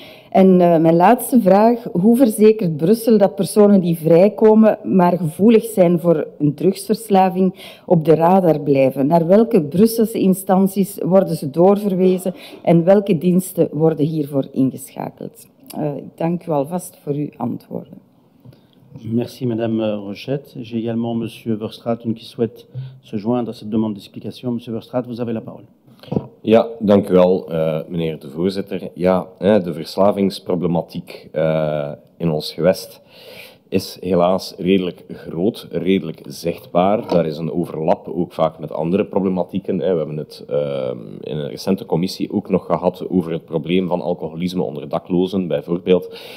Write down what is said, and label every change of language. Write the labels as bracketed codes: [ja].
[nl] En mijn laatste vraag, hoe verzekert Brussel dat personen die vrijkomen maar gevoelig zijn voor een drugsverslaving op de radar blijven? Naar welke Brusselse instanties worden ze doorverwezen en welke diensten worden hiervoor ingeschakeld? Ik dank u alvast voor uw antwoorden. [fr] Merci, madame Rochette. J'ai également monsieur Verstraat qui souhaite se joindre à cette demande d'explication. Monsieur Verstraat, vous avez la parole. [nl] Ja, dank u wel, meneer de voorzitter. Ja, de verslavingsproblematiek in ons gewest is helaas redelijk groot, redelijk zichtbaar. Daar is een overlap ook vaak met andere problematieken. We hebben het in een recente commissie ook nog gehad over het probleem van alcoholisme onder daklozen, bijvoorbeeld.